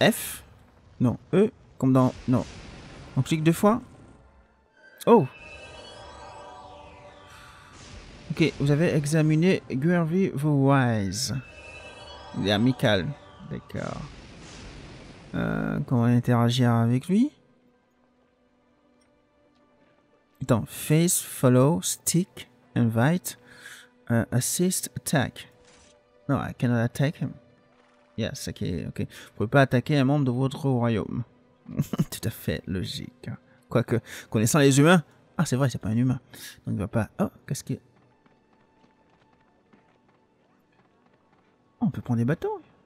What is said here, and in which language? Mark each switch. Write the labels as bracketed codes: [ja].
[fr] F ? Non, E ? Comme dans... Non. On clique deux fois ? Oh ! Ok, vous avez examiné Gurvy the Wise. Il est amical. D'accord. Comment interagir avec lui ? [en] Attends, face, follow, stick, invite, assist, attack. Non, I cannot attack him. Yes, ok, ok. [fr] Vous pouvez pas attaquer un membre de votre royaume. Tout à fait logique. Quoique, connaissant les humains... Ah, c'est vrai, c'est pas un humain. Donc, il va pas... Oh, qu'est-ce qu'il y a ? Oh, on peut prendre des bâtons.